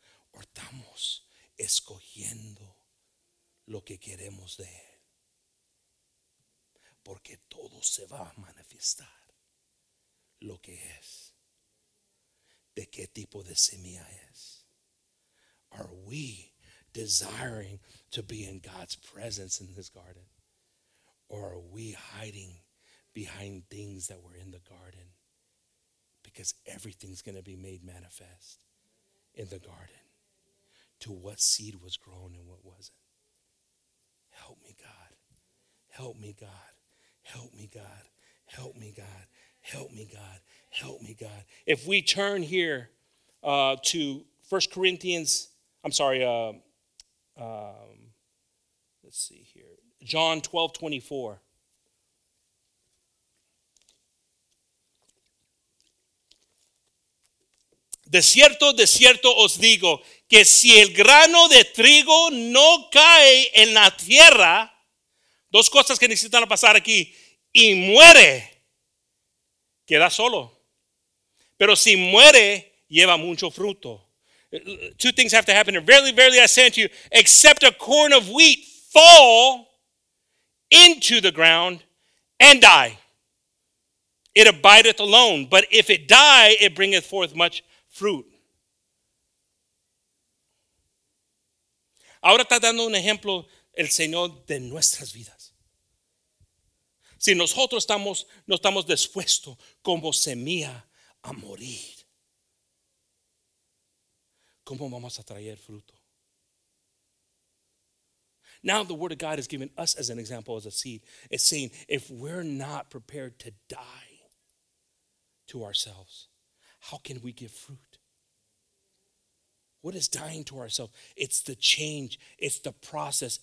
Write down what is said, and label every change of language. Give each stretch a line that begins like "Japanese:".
Spanish: Hortamos. Escogiendo lo que queremos de él. Porque todo se va a manifestar. Lo que es. De qué tipo de semilla es.
English: Are we desiring to be in God's presence in this garden? Or are we hiding behind things that were in the garden? Because everything's going to be made manifest in the garden. To what seed was grown and what wasn't. Help me, God. Help me, God. Help me, God. Help me, God. Help me, God. Help me, God. If we turn here to 1 Corinthians, I'm sorry, let's see here. John 12:24.
Spanish: De cierto os digo, que si el grano de trigo no cae en la tierra, dos cosas que necesitan pasar aquí, y muere, queda solo. Pero si muere, lleva mucho fruto.
English: Two things have to happen. Verily, verily, I say unto you, except a corn of wheat fall into the ground and die, it abideth alone. But if it die, it bringeth forth much fruit.
Spanish: Ahora está dando un ejemplo el Señor de nuestras vidas. Si nosotros no estamos dispuestos como semilla a morir, ¿cómo vamos a traer fruto?
English: Now the word of God is giving us as an example as a seed. It's saying if we're not prepared to die to ourselves, how can we give fruit? What is dying to ourselves? It's the change. It's the process.